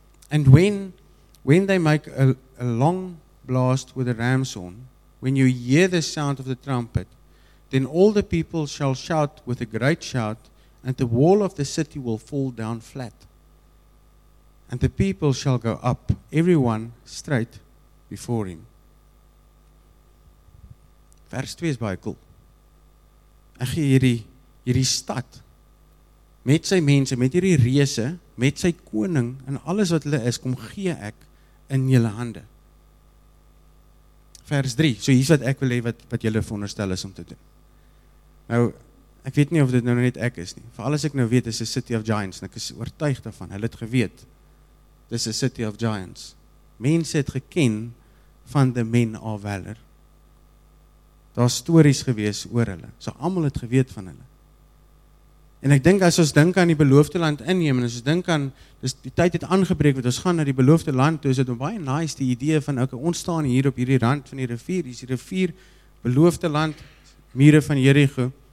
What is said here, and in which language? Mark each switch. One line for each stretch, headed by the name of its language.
English: And when they make a long blast with a ram's horn, when you hear the sound of the trumpet, then all the people shall shout with a great shout, and the wall of the city will fall down flat. And the people shall go up, everyone straight before him.
Afrikaans: Vers 2 is baie cool. Ek gee hierdie stad, met sy mense, met hierdie reëse, met sy koning, en alles wat hulle is, kom gee ek in julle hande. Vers 3, so hier is wat ek wil hê wat julle veronderstel is om te doen. Nou, ek weet nie of dit nou net ek is nie. Vooral as ek nou weet, is
English: a city of giants,
Afrikaans: en ek is oortuig daarvan, hulle het geweet, dis a city of giants. Mense het geken van
English: the men of valor.
Afrikaans: Daar is stories gewees oor hulle, so allemaal het geweet van hulle. En ek dink, as ons dink aan die beloofde land inneem, en as ons dink aan, dus die tyd het aangebreek, wat ons gaan na die beloofde land, toe is dit baie nice die idee van, ek ons staan hier op hierdie rand van die rivier, die rivier, beloofde land, mure van Jericho.